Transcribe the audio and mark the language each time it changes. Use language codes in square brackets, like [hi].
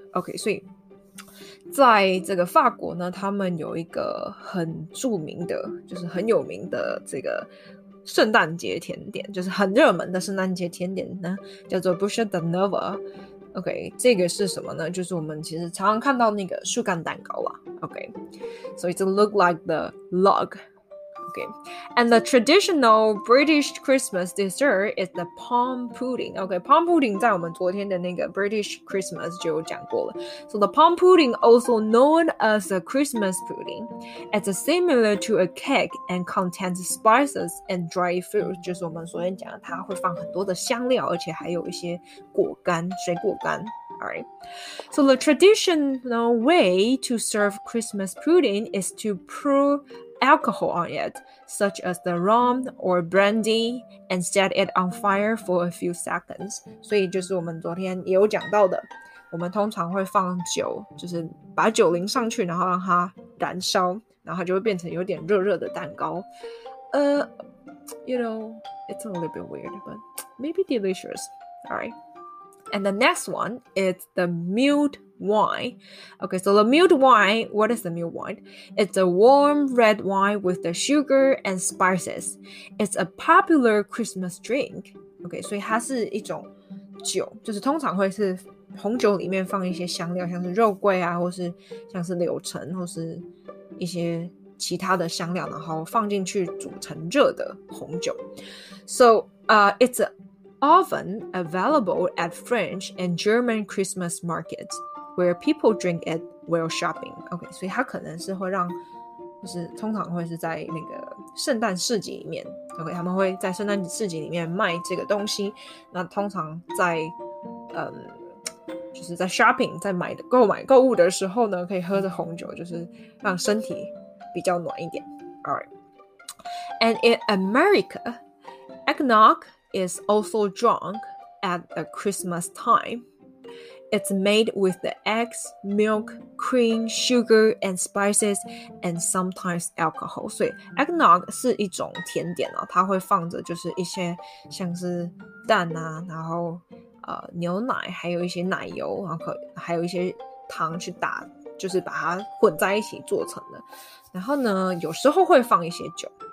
[zh] Okay, 所以在这个法国呢，他们有一个很著名的，就是很有名的这个。圣诞节甜点就是很热门的圣诞节甜点呢，叫做 Bûche de Noël。 OK， 这个是什么呢？就是我们其实常常看到那个树干蛋糕啦。 [en] OK， so it look like the log. OK, and the traditional British Christmas dessert is the plum pudding. [zh] OK, plum pudding 在我们昨天的那个 British Christmas 就有讲过了。 [en] So the plum pudding, also known as a Christmas pudding, it's similar to a cake and contains spices and dried fruit. [zh] 就是我们昨天讲的，它会放很多的香料，而且还有一些果干、水果干。 [en] All right. So the traditional way to serve Christmas pudding is to pour alcohol on it, such as the rum or brandy, and set it on fire for a few seconds. [zh] 所以就是我们昨天也有讲到的，我们通常会放酒，就是把酒淋上去，然后让它燃烧，然后它就会变成有点热热的蛋糕。 [en] You know, it's a little bit weird, but maybe delicious. All right. And the next one is the mulled wine. Okay, so the mulled wine, what is the mulled wine? It's a warm red wine with the sugar and spices. It's a popular Christmas drink. [zh] Okay, 所以它是一种酒，就是通常会是红酒里面放一些香料，像是肉桂啊，或是像是柳橙，或是一些其他的香料，然后放进去煮成热的红酒。 [en] So, it's aOften available at French and German Christmas markets, where people drink it while shopping. [zh] Okay, 所以它可能是会让，就是通常会是在那个圣诞市集里面。 Okay, 他们会在圣诞市集里面卖这个东西。那通常在，就是在 shopping 在买的购买购物的时候呢，可以喝着红酒，就是让身体比较暖一点。 [en] All right, and in America, eggnog. Is also drunk at the Christmas time. It's made with the eggs, milk, cream, sugar, and spices, and sometimes alcohol. [zh] 所以 eggnog 是一种甜点哦，它会放着就是一些像是蛋啊，然后牛奶，还有一些奶油，然后还有一些糖去打，就是把它混在一起做成的。然后呢，有时候会放一些酒。